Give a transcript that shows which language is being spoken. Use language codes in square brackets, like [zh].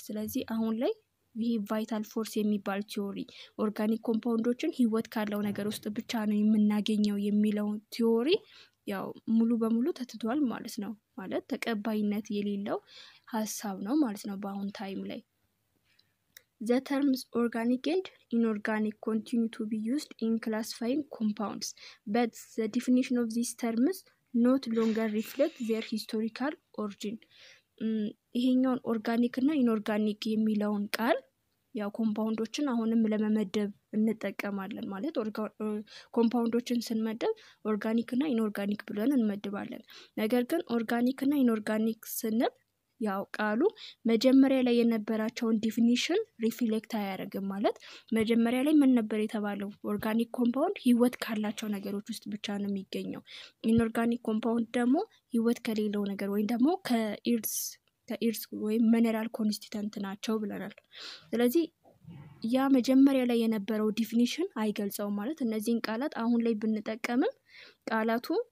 [am] ስለዚህ አሁን ላይ ይህ ቫይታል ፎርስ የሚባል ቲዮሪ ኦርጋኒክ ኮምፓውንዶችን ህይወት ካለው ነገር ውስጥ ብቻ ነው የምናገኘው የሚለው ቲዮሪ ያው ሙሉ በሙሉ ተትቷል ማለት ነው። ማለት ተቀባይነት የሌለው ሀሳብ ነው ማለት ነው በአሁን ታይም ላይ። [en] The terms organic and inorganic continue to be used in classifying compounds, but the definition of these terms no longer reflect their historical origin. [am] ይሄኛውን ኦርጋኒክ እና ኢንኦርጋኒክ የሚለውን ቃል ያው ኮምፓውንዶችን አሁንም ለመመደብ እንጠቀማለን ማለት ኮምፓውንዶችን ስንመደብ ኦርጋኒክ እና ኢንኦርጋኒክ ብለን እንመድባለን። ነገር ግን ኦርጋኒክ እና ኢንኦርጋኒክ ስንል ያው ቃሉ መጀመሪያ ላይ የነበረቻውን ዲፊኒሽን ሪፍሌክት አያደርግም ማለት መጀመሪያ ላይ ምን ነበር የተባለው ኦርጋኒክ ኮምፓውንድ ህይወት ካላቸው ነገሮች ውስጥ ብቻ ነው የሚገኘው ኢንኦርጋኒክ ኮምፓውንድ ደግሞ ህይወት ከሌለው ነገር ወይ ደግሞ ከኢርስ ወይም ሚነራል ኮንስቲተንት ናቸው ብለናል ስለዚህ ያ መጀመሪያ ላይ የነበረው ዲፊኒሽን አይገልጸውም ማለት እነዚህን ቃላት አሁን ላይ ብንጠቀምም ቃላቱ